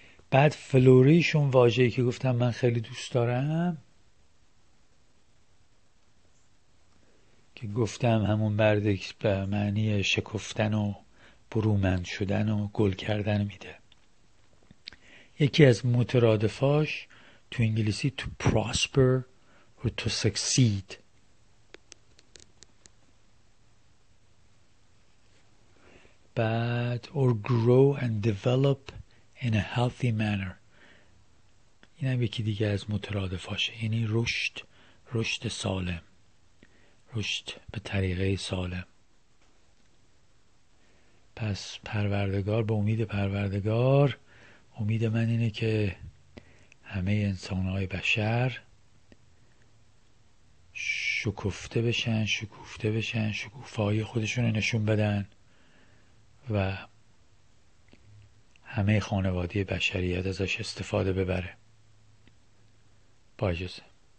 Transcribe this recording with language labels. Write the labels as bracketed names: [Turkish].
[Persian] بعد فلوریش، اون واژه‌ای که گفتم من خیلی دوست دارم، که گفتم همون بردکس به معنی شکفتن و برومند شدن و گل کردن میده. یکی از مترادفاش تو انگلیسی [English] to prosper [Persian] و [English] to succeed. [Persian] بعد [English] or grow and develop in a healthy manner. [Persian] این هم یکی دیگه از مترادفاشه، یعنی رشد سالم، رشد به طریقه سالم. پس پروردگار، به امید پروردگار، امید من اینه که همه انسان‌های بشر شکوفته بشن، شکوفایی خودشون رو نشون بدن و همه خانواده بشریت ازش استفاده ببره. با اجازه.